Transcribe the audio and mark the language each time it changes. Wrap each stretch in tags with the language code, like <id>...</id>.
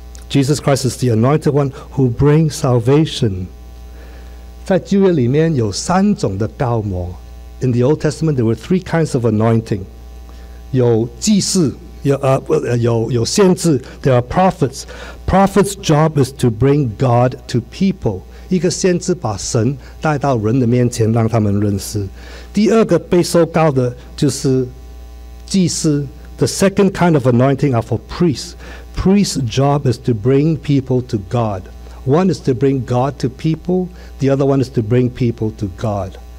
<en>Jesus Christ is the anointed one who brings salvation.</en> <zh>在旧约里面有三种的膏抹。</zh> <en>In the Old Testament, there were 3 kinds of anointing.</en> <zh>有祭司，有先知。</zh> <en>There are prophets. Prophets' job is to bring God to people.</en> <zh>一个先知把神带到人的面前，让他们认识。第二个被受膏的就是祭司。</zh> <en>The second kind of anointing are for priests. Priest's job is to bring people to God. One is to bring God to people, the other one is to bring people to God.</en>